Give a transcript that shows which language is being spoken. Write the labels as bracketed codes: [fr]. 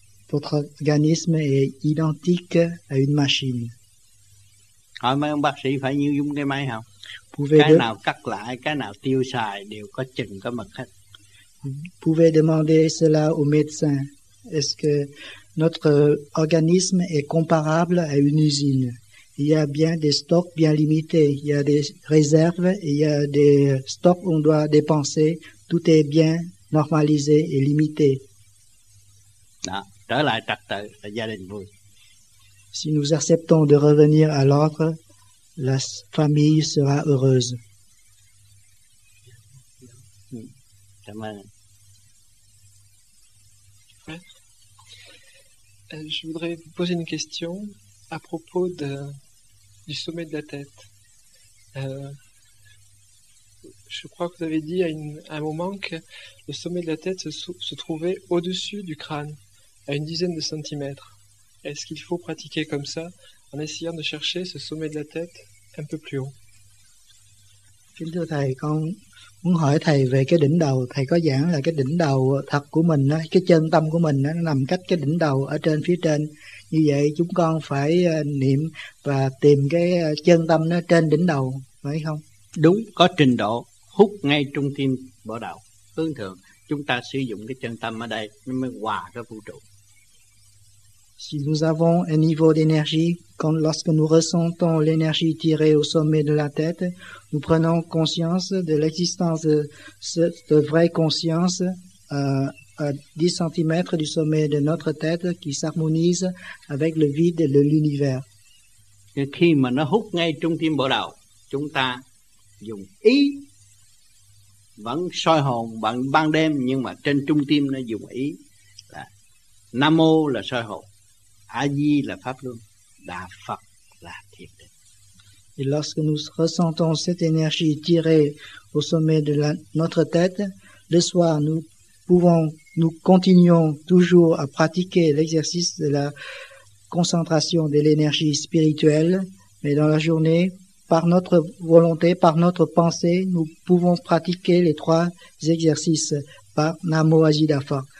[fr] Votre organisme est identique à une machine. [vi] Hỏi mấy ông bác sĩ phải như dùng cái máy không? Cái nào cắt lại, cái nào tiêu xài đều có chừng có mực hết. [fr] Vous pouvez demander cela au médecin. Est-ce que notre organisme est comparable à une usine? Il y a bien des stocks bien limités, il y a des réserves, il y a des stocks où on doit dépenser. Tout est bien normalisé et limité. [vi] Đó, trở lại trật tự là gia đình vui. [fr] Si nous acceptons de revenir à l'ordre, la famille sera heureuse. Je voudrais vous poser une question à propos de, du sommet de la tête. Je crois que vous avez dit à un moment que le sommet de la tête se trouvait au-dessus du crâne, à une dizaine de centimètres. Est-ce qu'il faut pratiquer comme ça, en essayant de chercher ce sommet de la tête un peu plus haut? [vi] Xin thưa thầy, con muốn hỏi thầy về cái đỉnh đầu. Thầy có giảng là cái đỉnh đầu thật của mình, cái chân tâm của mình nó nằm cách cái đỉnh đầu ở trên phía trên. Như vậy chúng con phải niệm và tìm cái chân tâm nó trên đỉnh đầu, phải không? Đúng, có trình độ hút ngay trung tim bộ đầu. Thường thường chúng ta sử dụng cái chân tâm ở đây nó mới hòa cái vũ trụ. [fr] Si nous avons un niveau d'énergie, quand lorsque nous ressentons l'énergie tirée au sommet de la tête, nous prenons conscience de l'existence de cette vraie conscience à 10 cm du sommet de notre tête qui s'harmonise avec le vide de l'univers. Et [vi] khi mà nó hút ngay trung tim bộ đầu, chúng ta dùng ý vẫn soi hồn bằng ban đêm, nhưng mà trên trung tim nó dùng ý là Nam Mô là soi hồn, A-di là pháp luân, Đà Phật là thiền định. [fr] Et lorsque nous ressentons cette énergie tirée au sommet de notre tête, le soir, nous continuons toujours à pratiquer l'exercice de la concentration de l'énergie spirituelle, mais dans la journée, par notre volonté, par notre pensée, nous pouvons pratiquer les trois exercices par Namo Ajida Pha.